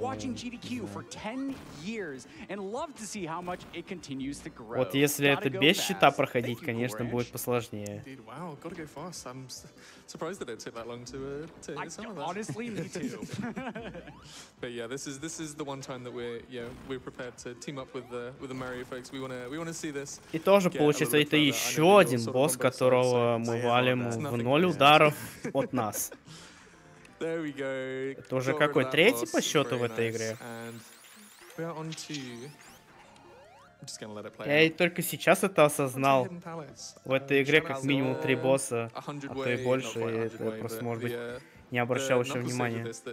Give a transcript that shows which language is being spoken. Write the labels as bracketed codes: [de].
[ru] Вот если это без щита проходить, конечно, будет посложнее. [en] Surprised that it took that long to hit some of that. Honestly, me too. But yeah, this is the one time that we're prepared to team up with the Mario folks. We wanna see this. [ru] И тоже получится, это еще один босс, которого мы валим в ноль ударов от нас. [en] There we go. [ru] Это уже какой третий по счету в этой игре. [en] We are on to. [ru] Я и только сейчас это осознал. В этой игре как минимум три босса, а то и больше, и это просто, может быть, не обращал еще внимания.